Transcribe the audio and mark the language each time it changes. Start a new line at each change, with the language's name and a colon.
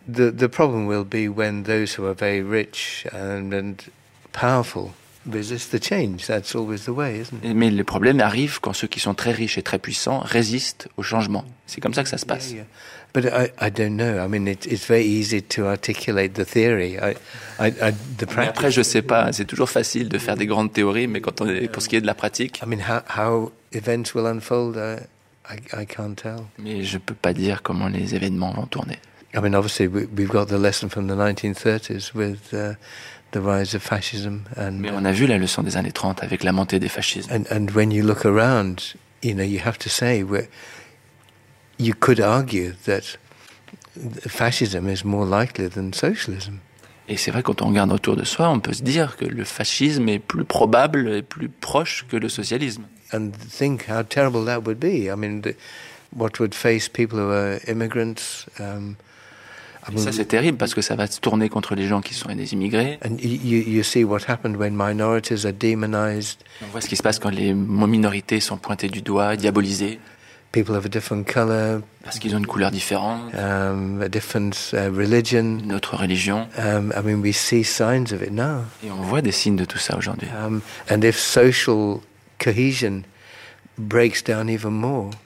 English: The problem will be when those who are very rich and powerful resist the change. That's always the way, isn't it?
French: Mais le problème arrive quand ceux qui sont très riches et très puissants résistent au changement. C'est comme ça que ça se passe.
English: Yeah, yeah. But I don't know. I mean, it's very easy to articulate the theory. The practice.
French: Mais après, je sais pas. C'est toujours facile de faire des grandes théories, mais quand on est pour ce qui est de la pratique.
English: I mean, how events will unfold, I can't tell.
French: Mais je peux pas dire comment les événements vont tourner.
English: I mean, obviously, we've got the lesson from the 1930s with. The rise of fascism and
French: mais on a vu la leçon des années 30 avec la montée des fascismes.
English: And when you look around, you know, you have to say you could argue that fascism is more likely than socialism.
French: Et c'est vrai, quand on regarde autour de soi, on peut se dire que le fascisme est plus probable et plus proche que le socialisme.
English: And think how terrible that would be. I mean, what would face people who are immigrants?
French: Et ça, c'est terrible parce que ça va se tourner contre les gens qui sont des immigrés.
English: And you see what happened when minorities are demonized.
French: On voit ce qui se passe quand les minorités sont pointées du doigt, diabolisées.
English: People of a different color.
French: Parce qu'ils ont une couleur différente.
English: A different religion.
French: Une autre religion.
English: I mean, we see signs of it now.
French: Et on voit des signes de tout ça aujourd'hui.
English: And if social cohesion breaks down even more.